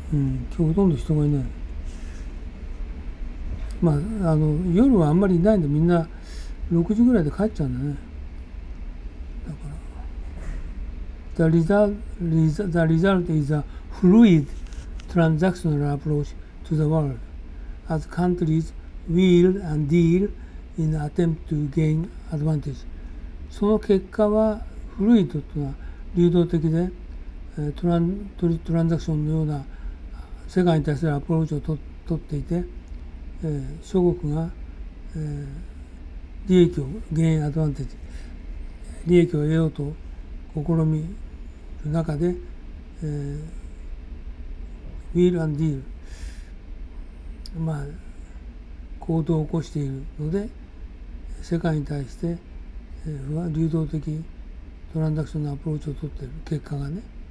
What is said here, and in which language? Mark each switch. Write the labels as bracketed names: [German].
[Japanese] 今日ほとんど人がいない。まあ、あの夜はあんまりいないんで、みんな6時ぐらいで帰っちゃうんだね。 [English] だから The result, the result is a fluid transactional approach to the world as countries wield and deal in attempt to gain advantage。 [Japanese] その結果はフルイドというのは流動的で、トランザクションのような世界に対するアプローチを取っていて、諸国が、利益を、ゲインアドバンテージ、利益を得ようと試みる中で、ウィール・アンド・ディール、まあ、行動を起こしているので、世界に対して、流動的トランザクションのアプローチを取っている結果がね。